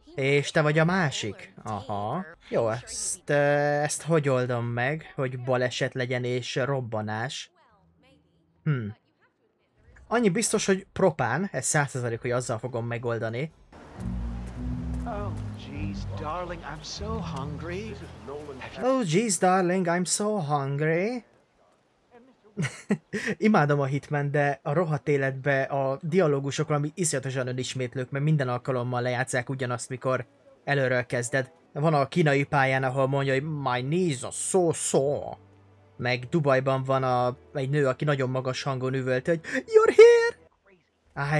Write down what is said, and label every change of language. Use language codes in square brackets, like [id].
[hu] És te vagy a másik? Aha. Jó, ezt hogy oldom meg, hogy baleset legyen és robbanás? Annyi biztos, hogy propán, ez 100%, hogy azzal fogom megoldani. [en] Oh, jeez, darling, I'm so hungry. [hu] Imádom a Hitman, de a rohadt életbe a dialógusok valami iszonyatosan önismétlők, mert minden alkalommal lejátszák ugyanazt, mikor előről kezded. Van a kínai pályán, ahol mondja, hogy [en] my knees are so sore. [hu] Meg Dubajban van egy nő, aki nagyon magas hangon üvölt, hogy [en] you're here!